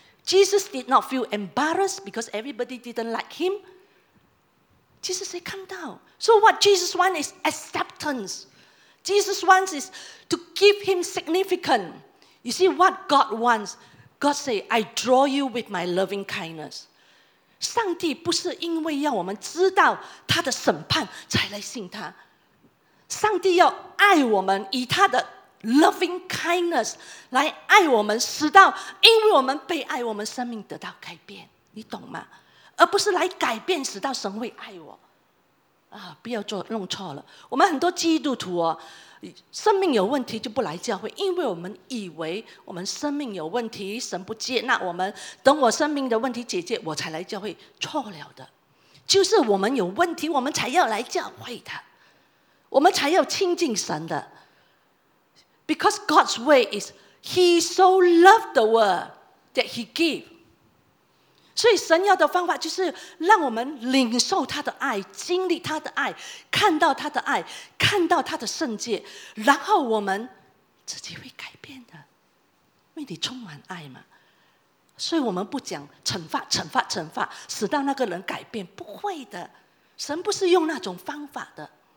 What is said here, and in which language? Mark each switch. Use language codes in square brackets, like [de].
[en] Jesus did not feel embarrassed because everybody didn't like him. Jesus said, come down. So what Jesus wants is acceptance. Jesus wants is to give him significance. You see what God wants? God say, I draw you with my loving kindness. [zh] 上帝不是因为要我们知道他的审判才来信他。上帝要爱我们，以他的 [en] loving kindness [zh] 来爱我们，使到因为我们被爱，我们生命得到改变。你懂吗？而不是来改变，使到神会爱我。不要做弄错了。我们很多基督徒生命有问题就不来教会，因为我们以为我们生命有问题，神不接纳我们，等我生命的问题解决我才来教会。错了的，就是我们有问题我们才要来教会的，我们才要亲近神的。 [en] Because God's way is He so loved the world that He gave。 [zh] 所以神要的方法就是让我们领受他的爱，经历他的爱，看到他的爱，看到他的圣洁，然后我们自己会改变的，因为你充满爱嘛。所以我们不讲惩罚惩罚惩罚使到那个人改变，不会的，神不是用那种方法的。